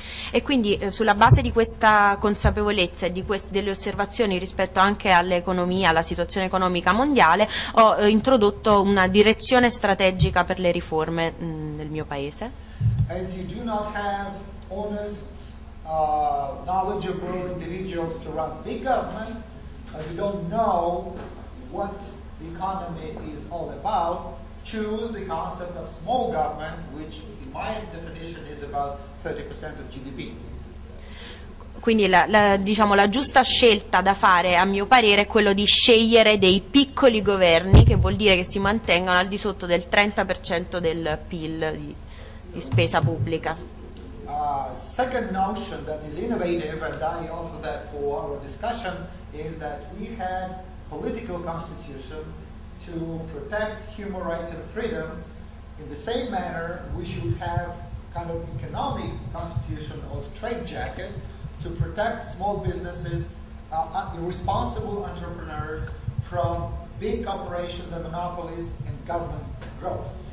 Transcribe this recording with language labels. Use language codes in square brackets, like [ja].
[it] E quindi sulla base di questa consapevolezza e di delle osservazioni rispetto anche all'economia, alla situazione economica mondiale, ho introdotto una direzione strategica per le riforme nel mio paese. [en] As you do not have honest, knowledgeable individuals to run big government, as you don't know what the economy is all about, choose the concept of small government, which in my definition is about 30% of GDP. [it] Quindi la giusta scelta da fare, a mio parere, è quello di scegliere dei piccoli governi, che vuol dire che si mantengano al di sotto del 30% del PIL di spesa pubblica. [en] Second notion that is innovative, and I offer that for our discussion, is that we have political constitution to protect human rights and freedom in the same manner we should have kind of economic constitution or straitjacket to protect small businesses, irresponsible entrepreneurs from big corporations and monopolies and government growth.